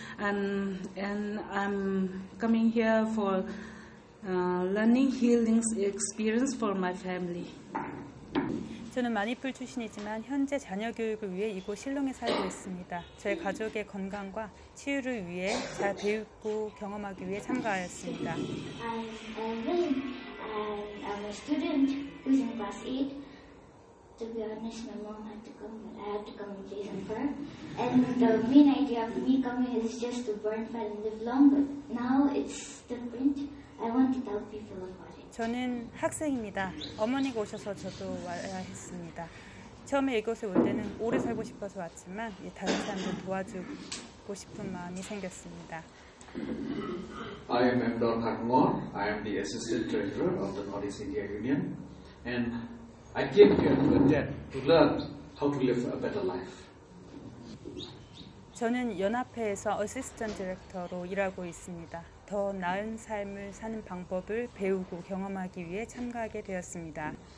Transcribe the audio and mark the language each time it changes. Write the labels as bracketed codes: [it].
[en] And I'm coming here for learning healing experience for my family. [ko] 저는 마니풀 출신이지만 현재 자녀 교육을 위해 이곳 실롱에 살고 있습니다. 저의 가족의 건강과 치유를 위해 잘 배우고 경험하기 위해 참가하였습니다. [en] I'm a student who's in class 8. To be honest, my mom had to come, but I had to come in place of her. And the main idea of me coming is just to burn fat and live long, but now it's different. I want to tell people about it. [ko] 저는 학생입니다. 어머니가 오셔서 저도 와야 했습니다. 처음에 이곳에 올 때는 오래 살고 싶어서 왔지만 다른 사람들 도와주고 싶은 마음이 생겼습니다. [en] I am M. Don Hakmore. I am the Assistant Treasurer of the Northeast India Union. And I came here to attend to learn how to live a better life. [ko] 저는 연합회에서 어시스턴트 디렉터로 일하고 있습니다. 더 나은 삶을 사는 방법을 배우고 경험하기 위해 참가하게 되었습니다.